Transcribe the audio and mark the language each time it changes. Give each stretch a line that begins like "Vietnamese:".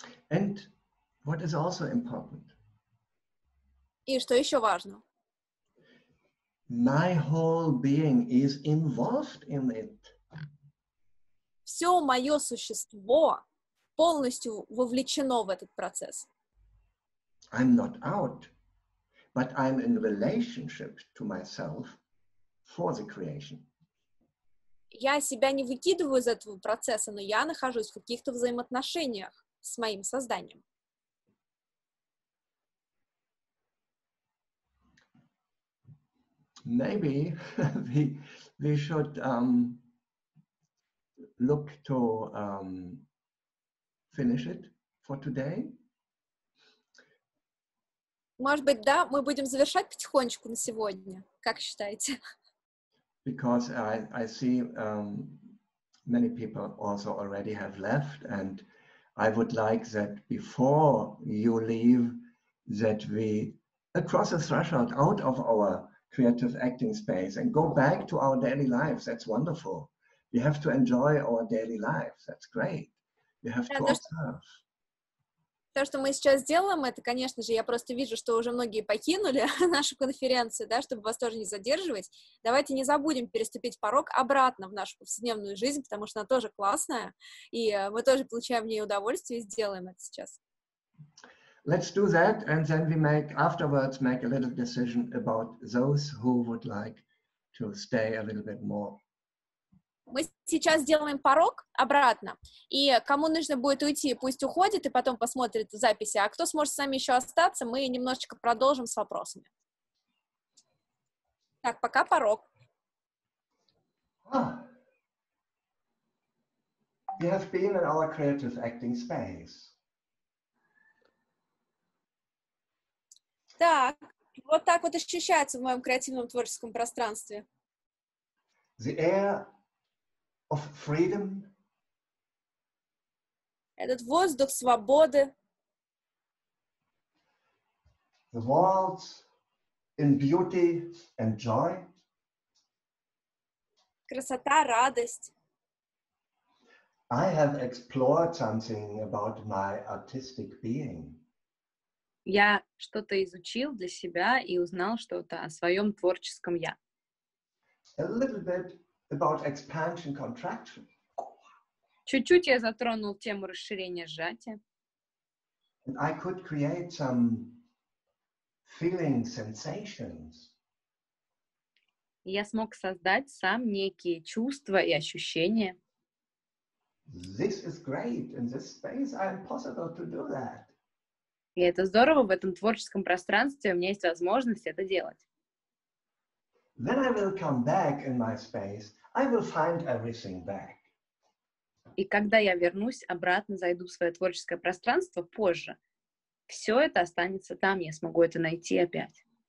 English: And what is also important?
Russian: И что еще важно?
English: My whole being is involved in it.
Russian: Все мое существо полностью вовлечено в этот процесс.
English: I'm not out, but I'm in relationship to myself for the creation.
Russian: Я себя не выкидываю из этого процесса, но я нахожусь в каких-то взаимоотношениях с моим созданием.
English: Maybe we should look to finish it for today.
Russian: Может быть, да, мы будем завершать потихонечку на сегодня. Как считаете?
English: Because I see many people also already have left, and I would like that before you leave, that we cross a threshold out of our creative acting space and go back to our daily lives. That's wonderful. We have to enjoy our daily lives. That's great. We have to observe.
Russian: То, что мы сейчас делаем, это, конечно же, я просто вижу, что уже многие покинули нашу конференцию, да, чтобы вас тоже не задерживать. Давайте не забудем переступить порог обратно в нашу повседневную жизнь, потому что она тоже классная, и мы тоже получаем в ней удовольствие и сделаем это сейчас.
English: Let's do that, and then we make afterwards make a little decision about those who would like to stay a little bit more.
Russian: Мы сейчас сделаем порог обратно, и кому нужно будет уйти, пусть уходит и потом посмотрит в записи, а кто сможет с нами еще остаться, мы немножечко продолжим с вопросами. Так, пока порог.
English: We have been in our creative acting space.
Russian: Так, вот так вот ощущается в моем креативном творческом пространстве.
English: The air of freedom.
Russian: Этот воздух свободы.
English: The world in beauty and joy.
Russian: Красота, радость.
English: I have explored something about my artistic being.
Russian: Я что-то изучил для себя и узнал что-то о своем творческом я.
English: A little bit about expansion-contraction.
Russian: Чуть-чуть я затронул тему расширения сжатия.
English: And I could create some feeling sensations.
Russian: Я смог создать сам некие чувства и ощущения.
English: This is great. In this space I am possible to do that.
Russian: И это здорово, в этом творческом пространстве у меня есть возможность это делать. И когда я вернусь, обратно зайду в свое творческое пространство позже, все это останется там, я смогу это найти опять.